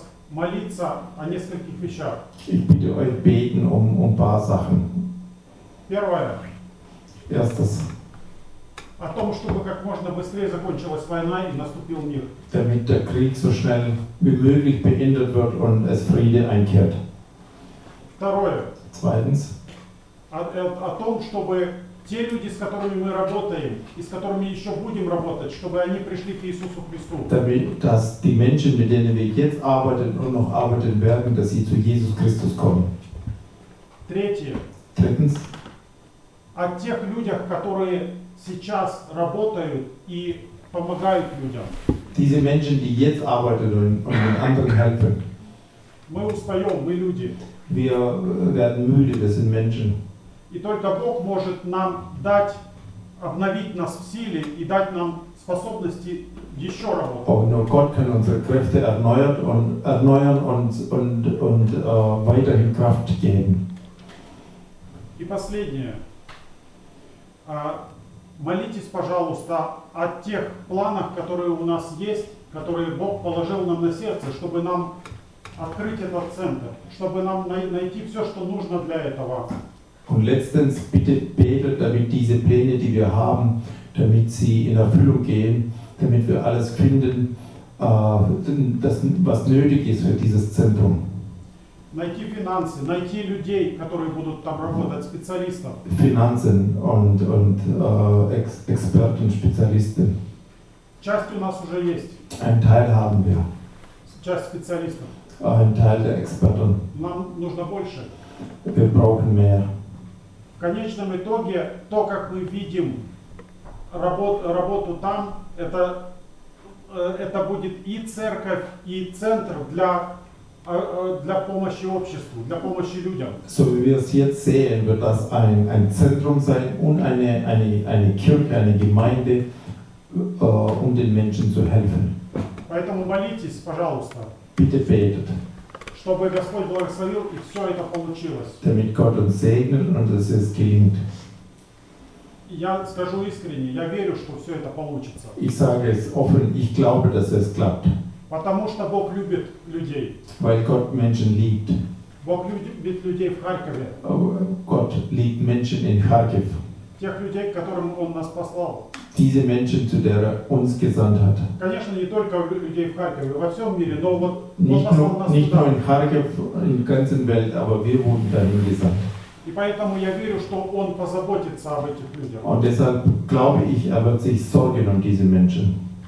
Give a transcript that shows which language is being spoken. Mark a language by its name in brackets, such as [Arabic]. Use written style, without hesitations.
[German] Ich bitte euch beten um ein paar Sachen. Erstens. [Russian] О том, чтобы как можно быстрее закончилась война и наступил мир. [German] Damit der Krieg so schnell wie möglich beendet wird und es Friede einkehrt. [Russian] Второе. [German] Zweitens. [Russian] О том, чтобы те люди, с которыми мы работаем и с которыми еще будем работать, чтобы они пришли к Иисусу Христу. [German] Damit, dass die Menschen, mit denen wir jetzt arbeiten und noch arbeiten werden, dass sie zu Jesus Christus kommen. [Russian] Третье. [German] Drittens. [Russian] О тех людях, которые сейчас работают и помогают людям. [German] Diese Menschen, die jetzt arbeiten und den anderen helfen. [Russian] Мы устаем, мы люди. [German] Wir werden müde, wir sind Menschen. [Russian] И только Бог может нам дать, обновить нас в силе и дать нам способности еще работать. [German] Nur Gott kann unsere Kräfte erneuern und weiterhin Kraft geben. [Russian] И последнее. Молитесь, пожалуйста, о тех планах, которые у нас есть, которые Бог положил нам на сердце, чтобы нам открыть этот центр, чтобы нам найти все, что нужно для этого. [German] Und letztens bitte betet, damit diese Pläne, die wir haben, damit sie in Erfüllung gehen, damit wir alles finden, das, was nötig ist für dieses Zentrum. [Russian] Найти финансы, найти людей, которые будут там работать, специалистов. [German] Finanzen und Experten, Spezialisten. [Russian] Часть у нас уже есть. [German] Ein Teil haben wir. [Russian] Часть специалистов. [German] Ein Teil der Experten. [Russian] Нам нужно больше. [German] Wir brauchen mehr. [Russian] В конечном итоге, то, как мы видим работу там, это будет и церковь, и центр для помощи обществу, для помощи людям. [German] So wie wir es jetzt sehen, wird das ein Zentrum sein und eine Kirche, eine Gemeinde, um den Menschen zu helfen. [Russian] Поэтому молитесь, пожалуйста. [German] Bitte betet. [Russian] Чтобы Господь благословил и все это получилось. [German] Damit Gott uns segnet und es ist gelingt. [Russian] Я скажу искренне, я верю, что все это получится. [German] Ich sage es offen, ich glaube, dass es klappt. [Russian] Потому что Бог любит людей. [German] Weil Gott Menschen liebt. [Russian] Бог любит людей в Харькове. [German] Gott liebt Menschen in Kharkiv. [Russian] Тех людей, которым Он нас послал. [German] Diese Menschen, zu der uns gesandt hat. [Russian] Конечно, не только людей в Харькове, во всем мире, но вот [German] nicht nur in Kharkiv, in der ganzen Welt, aber wir wurden dahin gesandt. [Russian] И поэтому я верю, что Он позаботится об этих людях. [German] Und deshalb glaube ich, er wird sich sorgen um diese Menschen.